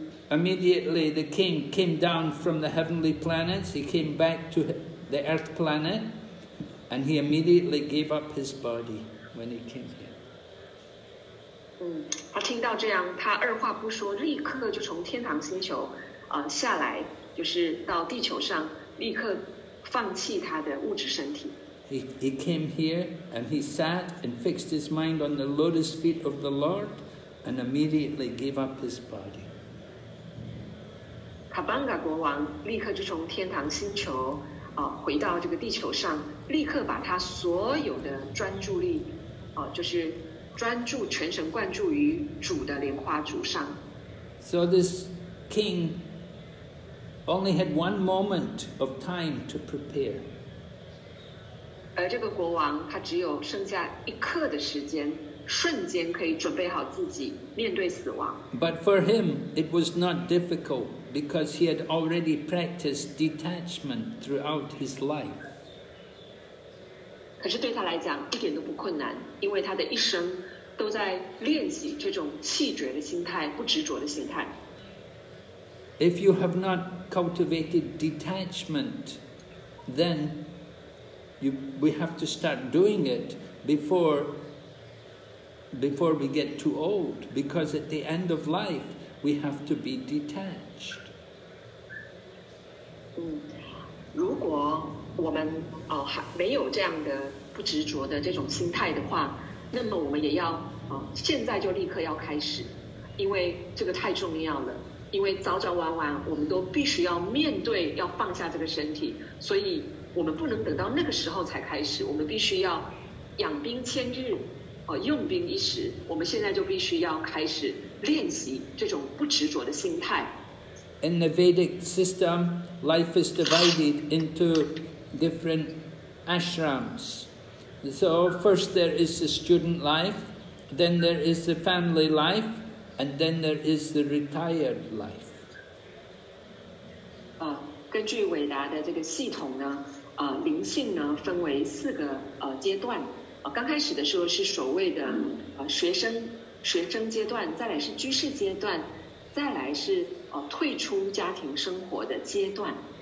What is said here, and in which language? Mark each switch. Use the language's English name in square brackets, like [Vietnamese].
[English] Immediately the king came down from the heavenly planets, he came back to the earth planet. And he immediately gave up his body when he came here. [Chinese] 他听到这样，他二话不说，立刻就从天堂星球下来，就是到地球上，立刻放弃他的物质身体。 [English] He came here and he sat and fixed his mind on the lotus feet of the Lord, and immediately gave up his body. [Chinese] Kabanga 国王立刻就从天堂星球。回到这个地球上，立刻把他所有的专注力，就是专注全神贯注于主的莲花足上。 [English] So this king only had one moment of time to prepare. [Chinese] 而这个国王他只有剩下一刻的时间，瞬间可以准备好自己面对死亡。 [English] But for him, it was not difficult. Because he had already practiced detachment throughout his life. [Chinese] 可是对他来讲一点都不困难，因为他的一生都在练习这种弃绝的心态，不执着的心态。 [English] If you have not cultivated detachment, then we have to start doing it before we get too old, because at the end of life, we have to be detached. [Chinese] 如果我们还没有这样的不执着的这种心态的话，那么我们也要现在就立刻要开始，因为这个太重要了。因为早早晚晚我们都必须要面对要放下这个身体，所以我们不能等到那个时候才开始，我们必须要养兵千日用兵一时，我们现在就必须要开始练习这种不执着的心态。 [English] In the Vedic system, life is divided into different ashrams. So first there is the student life, then there is the family lifeAnd then there is the retired life. [Chinese] 根据伟达的这个系统呢，灵性呢分为四个阶段。刚开始的时候是所谓的学生阶段，再来是居士阶段，再来是退出家庭生活的阶段。